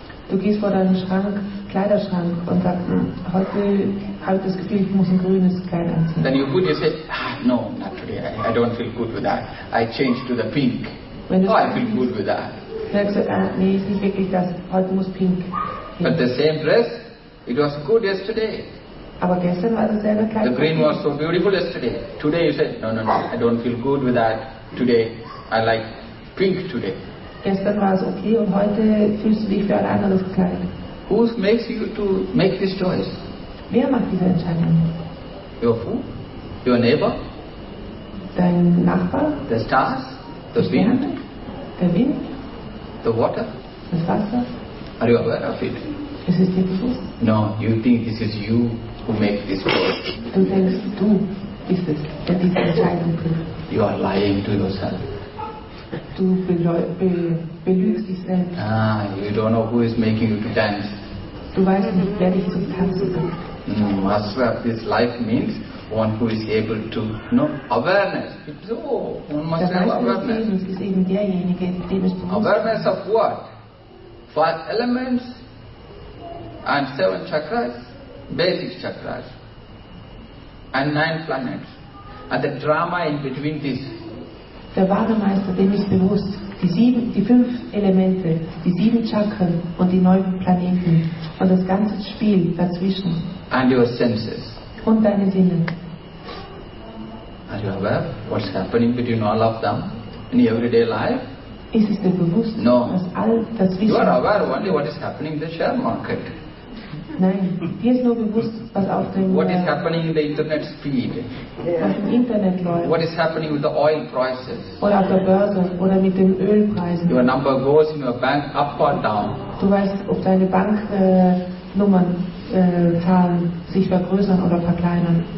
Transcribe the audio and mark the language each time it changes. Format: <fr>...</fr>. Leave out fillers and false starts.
<de>Du gehst vor deinen Schrank, Kleiderschrank und sagst, heute habe ich das Gefühl, ich muss ein grünes Kleid anziehen.</de> <en>Then you put, you say, no, not today, I don't feel good with that. I change to the pink. I feel good with that.</en> <de>Dann sagst du, nee, ist nicht wirklich das, heute muss pink.</de> <en>But the same dress, it was good yesterday.</en> <de>Aber gestern war es selber kein.</de> <en>The green was so beautiful yesterday. Today you said, no, I don't feel good with that. Today, I like pink today.</en> <de>Gestern war es okay und heute fühlst du dich für ein anderes Kleid.</de> <en>Who makes you to make this choice?</en> <de>Wer macht diese Entscheidung?</de> <en>Your food? Your neighbor?</en> <de>Dein Nachbar?</de> <en>The stars? The wind?</en> <de>Sterne? Der Wind?</de> <en>The water?</en> <de>Das Wasser?</de> <en>Are you aware of it? Is it</en> <de>dir bewusst?</de> <en>No, you think this is you who make this choice.</en> <de>Du denkst, du bist es, der diese Entscheidung trifft.</de> <en>You are lying to yourself.</en> <de>Du belügst dich selbst.</de> <en>You don't know who is making you to dance.</en> <de>Du weißt nicht, wer dich zum Tanzen bringt.</de> <en>No, as well, this life means one who is able to know awareness. So, one must</en> <de>das heißt,</de> <en>have awareness.</en> <de>Ist eben derjenige, dem es bewusst.</de> <en>Awareness of what? Five elements and seven chakras, basic chakras, and nine planets, and the drama in between these.</en> <de>Der wahre Meister, dem ist bewusst, die fünf Elemente, die sieben Chakren und die neun Planeten. Und das ganze Spiel dazwischen.</de> <en>And your senses.</en> <de>Und deine Sinne.</de> <en>Are you aware what's happening between all of them in your everyday life?</en> <de>Ist es dir bewusst,</de> <en>no.</en> <de>Dass all das Wissen...</de> <en>You are aware only what is happening in the share market.</en> <de>Nein, dir ist nur bewusst, was auf dem...</de> <en>What is happening in the internet speed.</en> <de>Was im Internet läuft.</de> <en>What is happening with the oil prices.</en> <de>Oder auf der Börse, oder mit den Ölpreisen.</de> <en>Your number goes in your bank up or down.</en> <de>Du weißt, ob deine Banknummern, Zahlen sich vergrößern oder verkleinern.</de>